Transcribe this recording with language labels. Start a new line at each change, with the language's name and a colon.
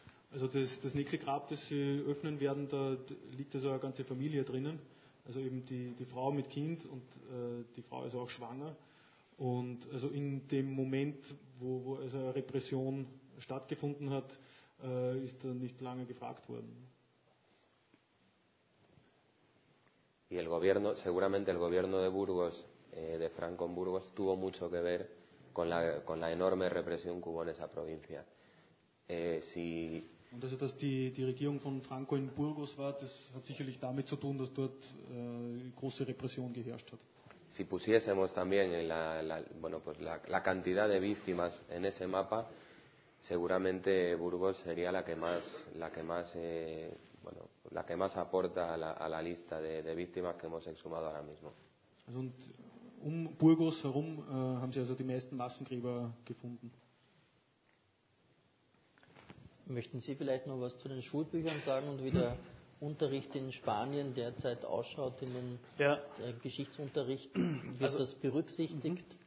German: Also das nächste Grab, das sie öffnen werden, da liegt also eine ganze Familie drinnen. Also eben die Frau mit Kind und die Frau ist auch schwanger. Und also in dem Moment, wo also eine Repression stattgefunden hat, ist da nicht lange gefragt worden.
Spanish: Y el gobierno, seguramente el gobierno de Burgos, de Franco en Burgos, tuvo mucho que ver con la enorme represión que hubo en esa provincia.
German: Und also, dass die Regierung von Franco in Burgos war, das hat sicherlich damit zu tun, dass dort große Repression geherrscht hat.
Spanish: Si pusiésemos también la cantidad de víctimas en ese mapa, seguramente Burgos sería la que más aporta a la lista de víctimas que hemos exhumado ahora mismo.
German: Also und um Burgos herum haben Sie also die meisten Massengräber gefunden. Möchten Sie vielleicht noch was zu den Schulbüchern sagen und wie der Unterricht in Spanien derzeit ausschaut, in den Geschichtsunterricht, wird also, das berücksichtigt?